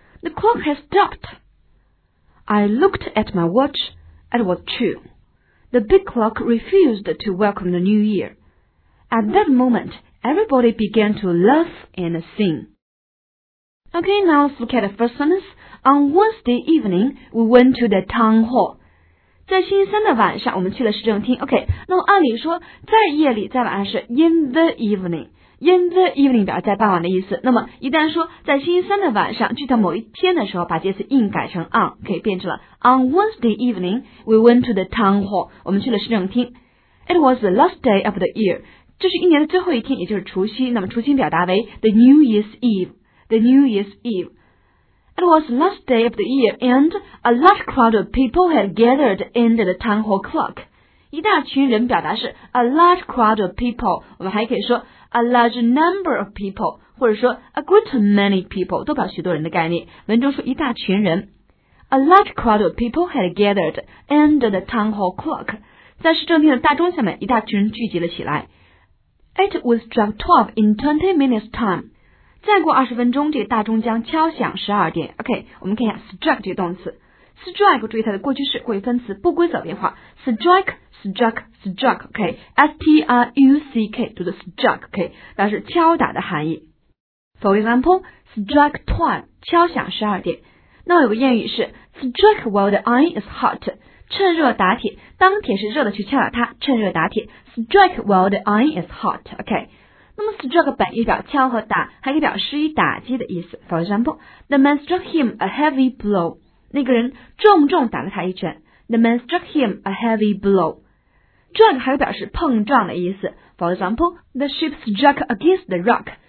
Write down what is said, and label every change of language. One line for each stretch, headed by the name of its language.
English: The clock has stopped." I looked at my watch. It was true. The big clock refused to welcome the new year. At that moment, everybody began to laugh and sing. Okay, now let's look at the first sentence. On Wednesday evening, we went to the town hall.
Chinese: 在星期三的晚上，我们去了市政厅。 OK， 那么按理说，在夜里，在晚上是
English: in the evening。
Chinese: In the evening 表示在傍晚的意思。那么一旦说在星期三的晚上，具体某一天的时候，把介词 in 改成 on， 可以变成了
English: On Wednesday evening, we went to the town hall.
Chinese: 我们去了市政厅。
English: It was the last day of the year.
Chinese: 这是一年的最后一天，也就是除夕。那么除夕表达为
English: the New Year's Eve.
Chinese: The New Year's Eve.
English: It was the last day of the year, and a large crowd of people had gathered under the town hall clock.
Chinese: 一大群人表达是
English: a large crowd of people.
Chinese: 我们还可以说
English: a large number of people,
Chinese: 或者说
English: a great many people,
Chinese: 都表示许多人的概念。文中说一大群人。
English: A large crowd of people had gathered under the town hall clock.
Chinese: 在市政厅的大钟下面，一大群人聚集了起来。
English: It was struck 12 in 20 minutes time.
Chinese: 再过20分钟，这个大钟将敲响12点。 OK， 我们看一下 strike 这个动词。strike 注意它的过去式、过去分词、不规则变化。 strike，struck，struck。 OK， S-T-R-U-C-K 读的 strike。 OK， 表示敲打的含义。
English: For example， strike 12，
Chinese: 敲响12点。那有个谚语是
English: strike while the iron is hot，
Chinese: 趁热打铁，当铁是热的去敲打它，趁热打铁。
English: strike while the iron is hot。
Chinese: OK。 那么 strike 本意表敲和打，还可以表示以打击的意思。
English: For example, the man struck him a heavy blow.
Chinese: 那个人重重打了他一拳。
English: The man struck him a heavy blow. Strike
Chinese: 还有表示碰撞的意思。
English: For example, the ship struck against the rock.